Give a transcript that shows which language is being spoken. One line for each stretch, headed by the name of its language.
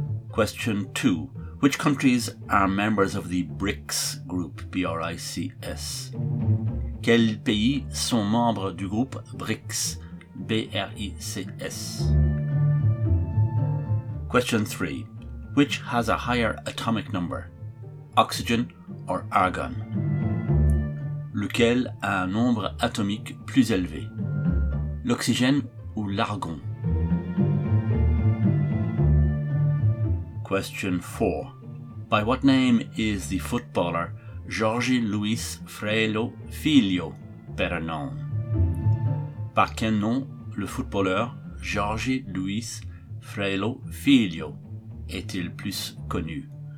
English: Question 2. Which countries are members of the BRICS group, B-R-I-C-S?
French: Quels pays sont membres du groupe BRICS, B-R-I-C-S?
English: Question 3. Which has a higher atomic number, oxygen or argon?
French: Lequel a un nombre atomique plus élevé? L'oxygène ou l'argon?
English: Question 4. By what name is the footballer Jorge Luis Freilo Filho better known?
French: Par quel nom le footballeur Jorge Luis Freilo Filho est-il plus connu?